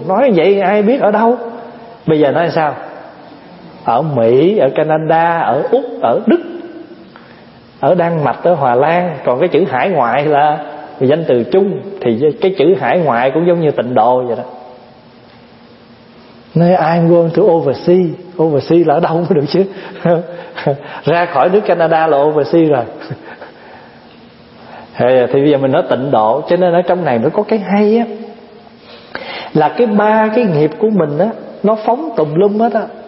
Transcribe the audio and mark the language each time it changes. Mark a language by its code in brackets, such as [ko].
[vi] Nói vậy ai biết ở đâu? Bây giờ nói sao? Ở Mỹ, ở Canada, ở Úc, ở Đức, ở Đan Mạch, ở Hà Lan. Còn cái chữ hải ngoại là danh từ chung. Thì cái chữ hải ngoại cũng giống như tịnh độ vậy đó. [en] Nói I'm going to overseas. [vi] Overseas là ở đâu mới được chứ? Ra khỏi nước Canada là overseas rồi. Thì bây giờ mình nói tịnh độ. Cho nên ở trong này nó có cái hay á, là cái ba cái nghiệp của mình á, nó phóng tùm lum hết á.